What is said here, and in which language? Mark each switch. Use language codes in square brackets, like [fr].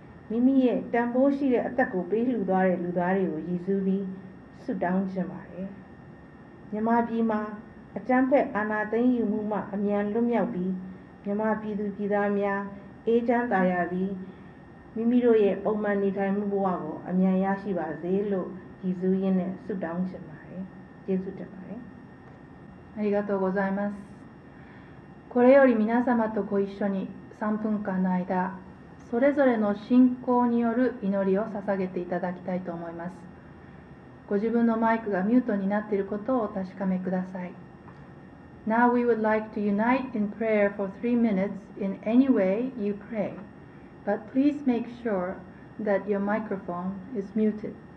[my] မိမိရဲ့တန်ဖိုးရှိတဲ့အသက်ကိုပေးလှူထားတဲ့လူသားတွေကိုရည်စူးပြီးဆုတောင်းခြင်းပါတယ်။မြန်မာပြည်မှာအကျံဖက်အာနာသိမ့်ယူမှုမှအမြန်လွတ်မြောက်ပြီးမြမပြည်သူပြည်သားများအေးချမ်းသာရပြီးမိမိတို့ရဲ့ပုံမှန်နေထိုင်မှုဘဝကိုအမြန်ရရှိပါစေလို့ရည်စူးရင်းနဲ့ဆုတောင်းရှင်ပါတယ်။ကျေးဇူးတင်ပါတယ် [ja] ။ありがとうございます。これより皆様とご一緒に3分間の間、それぞれの信仰による祈りを捧げていただきたいと思います。ご自分のマイクがミュートになっていることをお確かめください。 [en] Now we would like to unite in prayer for 3 minutes in any way you pray, but please make sure that your microphone is muted.